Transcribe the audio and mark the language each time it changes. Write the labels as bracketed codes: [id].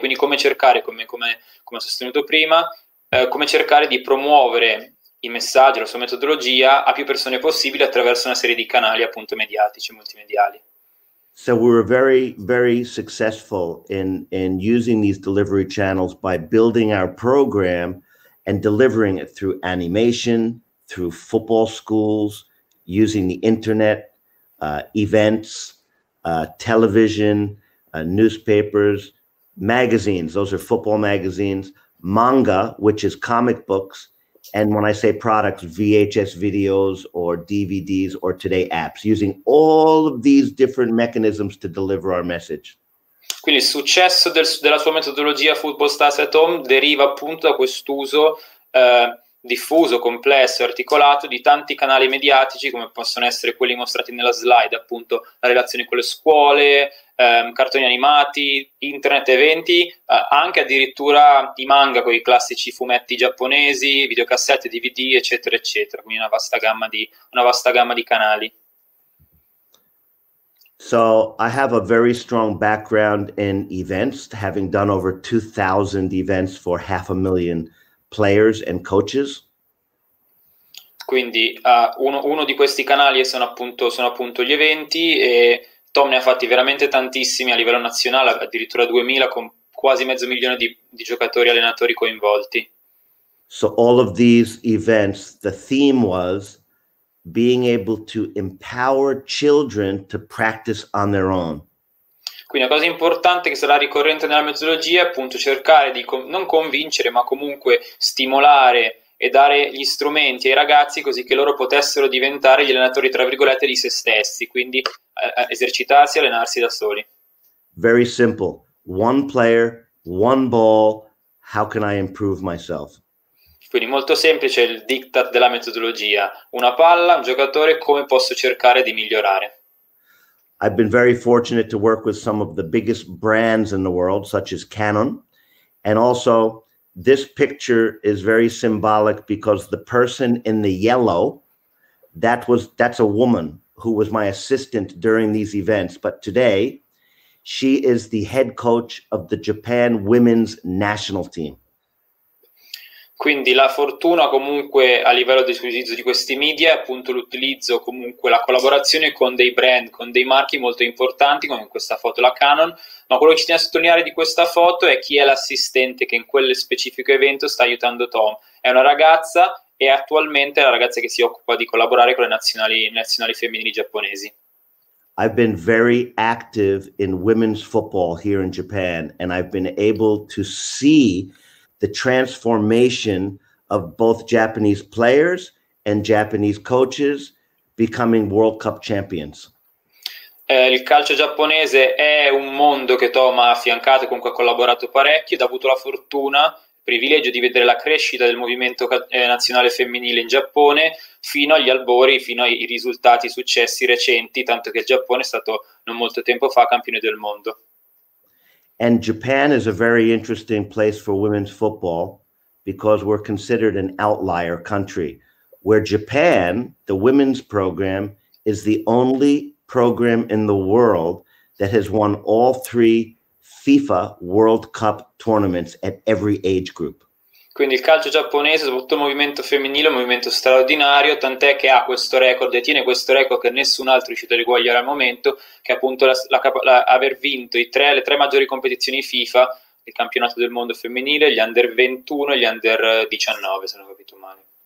[it] Quindi come cercare, come ho sostenuto prima, come cercare di promuovere i messaggi, la sua metodologia a più persone possibile attraverso una serie di canali appunto mediatici, multimediali. [en] So we were very, very successful in using these delivery channels by building our program and delivering it through animation, through football schools, using the internet, events, television, newspapers, magazines, those are football magazines, manga, which is comic books, and when I say products, VHS videos or DVDs or today apps, using all of these different mechanisms to deliver our message. [it] Quindi il successo della sua metodologia Football Stars at Home deriva appunto da quest'uso diffuso, complesso e articolato di tanti canali mediatici, come possono essere quelli mostrati nella slide, appunto la relazione con le scuole, cartoni animati, internet, eventi, anche addirittura i manga, con i classici fumetti giapponesi, videocassette, DVD, eccetera, eccetera. Quindi una vasta gamma di canali. [en] So I have a very strong background in events, having done over 2,000 events for 500,000 players and coaches. [it] Quindi uno di questi canali sono appunto gli eventi, e Tom ne ha fatti veramente tantissimi a livello nazionale, addirittura 2,000, con quasi mezzo milione di giocatori e allenatori coinvolti. [en] So all of these events, the theme was being able to empower children to practice on their own. [it] Quindi una cosa importante che sarà ricorrente nella metodologia è appunto cercare di non convincere, ma comunque stimolare e dare gli strumenti ai ragazzi così che loro potessero diventare gli allenatori, tra virgolette, di se stessi, quindi esercitarsi e allenarsi da soli. [en] Very simple. One player, one ball. How can I improve myself? [it] Quindi molto semplice il diktat della metodologia. Una palla, un giocatore, come posso cercare di migliorare? [en] I've been very fortunate to work with some of the biggest brands in the world, such as Canon. And also, this picture is very symbolic because the person in the yellow, that's a woman who was my assistant during these events. But today, she is the head coach of the Japan women's national team. [it] Quindi la fortuna comunque a livello di utilizzo di questi media è appunto l'utilizzo, comunque la collaborazione con dei brand, con dei marchi molto importanti, come in questa foto la Canon, ma quello che ci tiene a sottolineare di questa foto è chi è l'assistente che in quel specifico evento sta aiutando Tom. È una ragazza e attualmente è la ragazza che si occupa di collaborare con le nazionali femminili giapponesi. [en] I've been very active in women's football here in Japan, and I've been able to see the transformation of both Japanese players and Japanese coaches becoming World Cup champions. [it] Il calcio giapponese è un mondo che Tom ha affiancato, con cui ha collaborato parecchio, ed ha avuto la fortuna, il privilegio di vedere la crescita del movimento nazionale femminile in Giappone fino agli albori, fino ai risultati, successi recenti, tanto che il Giappone è stato non molto tempo fa campione del mondo. [en] And Japan is a very interesting place for women's football because we're considered an outlier country, where Japan, the women's program, is the only program in the world that has won all three FIFA World Cup tournaments at every age group. [it] Quindi il calcio giapponese, soprattutto il movimento femminile, è un movimento straordinario, tant'è che ha questo record e tiene questo record che nessun altro è riuscito a riguagliare al momento, che è appunto aver vinto le tre maggiori competizioni FIFA, il campionato del mondo femminile, gli under 21 e gli under 19, se non ho capito male.